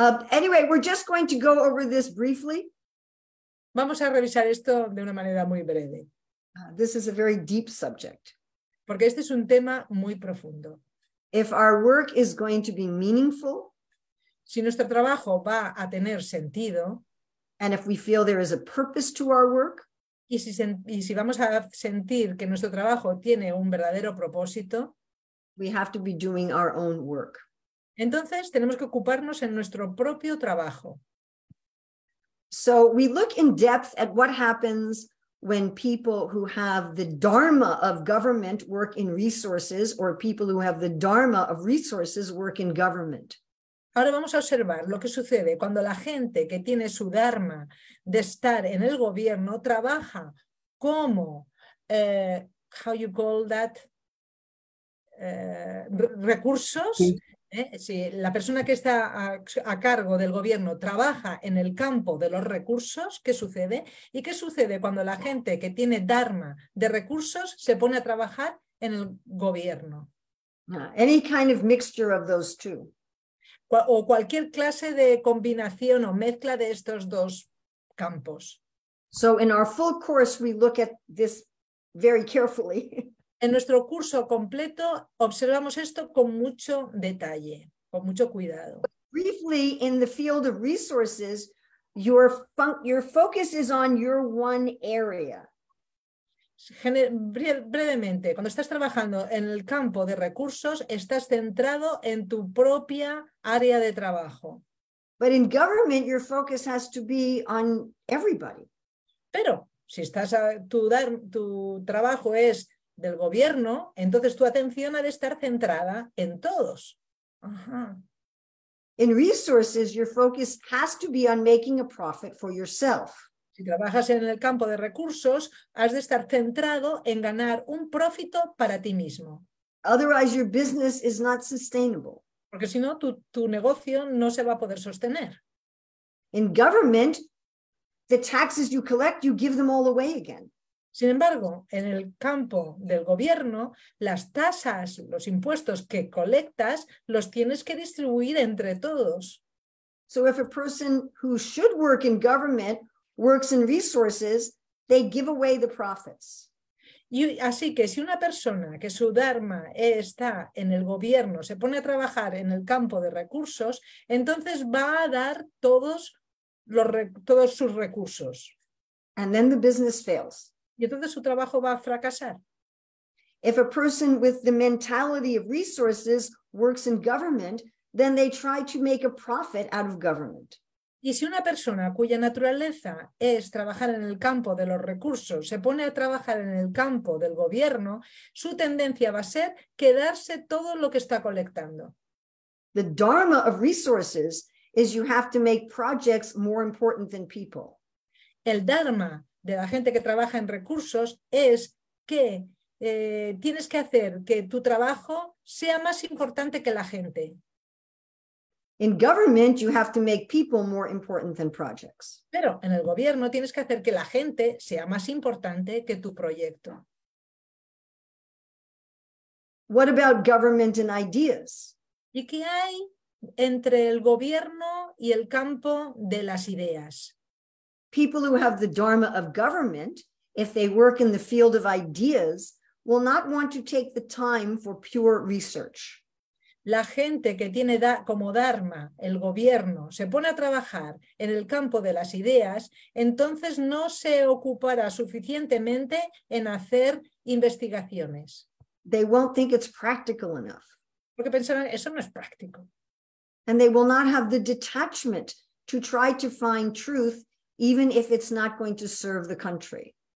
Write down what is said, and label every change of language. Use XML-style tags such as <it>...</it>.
<en>Anyway, we're just going to go over this briefly.</en> <es>Vamos a revisar esto de una manera muy breve.</es> <en>This is a very deep subject.</en> <es>Porque este es un tema muy profundo.</es> <en>If our work is going to be meaningful,</en> <es>si nuestro trabajo va a tener sentido,</es> <en>and if we feel there is a purpose to our work,</en> <es>y si vamos a sentir que nuestro trabajo tiene un verdadero propósito,</es> <en>we have to be doing our own work.</en> <es>Entonces tenemos que ocuparnos en nuestro propio trabajo.</es> <en>So we look in depth at what happens when people who have the dharma of government work in resources, or people who have the dharma of resources work in government.</en> <es>Ahora vamos a observar lo que sucede cuando la gente que tiene su dharma de estar en el gobierno trabaja como,</es> <en>how you call that,</en> <es>recursos. Sí, la persona que está a cargo del gobierno trabaja en el campo de los recursos, ¿qué sucede? ¿Y qué sucede cuando la gente que tiene dharma de recursos se pone a trabajar en el gobierno?</es> <en>Any kind of mixture of those two.</en> <es>O cualquier clase de combinación o mezcla de estos dos campos.</es> <en>So in our full course we look at this very carefully.</en> <es>En nuestro curso completo observamos esto con mucho detalle, con mucho cuidado.</es> <en>Briefly, in the field of resources, Your focus is on your one area.</en> <es>Brevemente, cuando estás trabajando en el campo de recursos, estás centrado en tu propia área de trabajo.</es> <en>But in government, your focus has to be on everybody.</en> <es>Pero si estás tu trabajo es del gobierno, entonces tu atención ha de estar centrada en todos. Ajá.</es> <en>In resources, your focus has to be on making a profit for yourself.</en> <es>Si trabajas en el campo de recursos, has de estar centrado en ganar un profito para ti mismo.</es> <en>Otherwise, your business is not sustainable.</en> <es>Porque si no, tu negocio no se va a poder sostener.</es> <en>In government, the taxes you collect, you give them all away again.</en> <es>Sin embargo, en el campo del gobierno, las tasas, los impuestos que colectas, los tienes que distribuir entre todos.</es> <en>So if a person who should work in government works in resources, they give away the profits.</en> <es>Y así que si una persona que su dharma está en el gobierno se pone a trabajar en el campo de recursos, entonces va a dar todos sus recursos.</es> <en>And then the business fails.</en> <es>Y entonces su trabajo va a fracasar.</es> <en>If a person with the mentality of resources works in government, then they try to make a profit out of government.</en> <es>Y si una persona cuya naturaleza es trabajar en el campo de los recursos se pone a trabajar en el campo del gobierno, su tendencia va a ser quedarse todo lo que está colectando.</es> <en>The dharma of resources is you have to make projects more important than people.</en> <es>El dharma de la gente que trabaja en recursos es que tienes que hacer que tu trabajo sea más importante que la gente.</es> <en>In government, you have to make people more important than projects.</en> <es>Pero en el gobierno tienes que hacer que la gente sea más importante que tu proyecto.</es> <en>What about government and ideas?</en> <es>¿Y qué hay entre el gobierno y el campo de las ideas?</es> <en>People who have the dharma of government, if they work in the field of ideas, will not want to take the time for pure research.</en> <es>La gente que tiene como dharma el gobierno se pone a trabajar en el campo de las ideas, entonces no se ocupará suficientemente en hacer investigaciones.</es> <en>They won't think it's practical enough.</en> <es>Porque pensarán, eso no es práctico.</es> <en>And they will not have the detachment to try to find truth, even if it's not going to serve the country.</en>